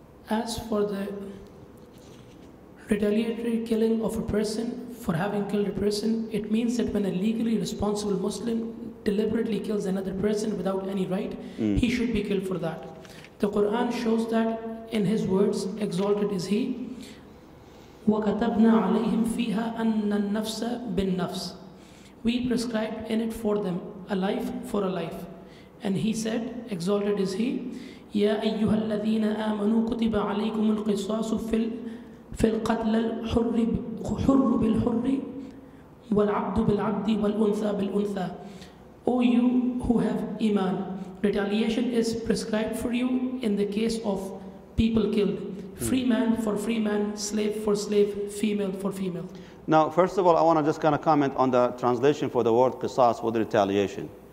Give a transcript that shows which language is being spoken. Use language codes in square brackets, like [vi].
[en] as for the retaliatory killing of a person for having killed a person, it means that when a legally responsible Muslim deliberately kills another person without any right, he should be killed for that. The Quran shows that in his words, exalted is he. [ar] وَكَتَبْنَا عَلَيْهِمْ فِيهَا أَنَّ النَّفْسَ بِالنَّفْسِ. [en] We prescribed in it for them, a life for a life. And he said, exalted is he, [ar] يَا أَيُّهَا الَّذِينَ آمَنُوا كُتِبَ عَلَيْكُمُ الْقِصَاصُ فِي الْقَتْلَ الْحُرُّ بِالْحُرِّ وَالْعَبْدُ بِالْعَبْدِ وَالْأُنْثَى بِالْأُنْثَى. [en] O you who have iman, retaliation is prescribed for you in the case of people killed. Free man for free man, slave for slave, female for female. Now, first of all, I want to just kind of comment on the translation for the word qisas with retaliation.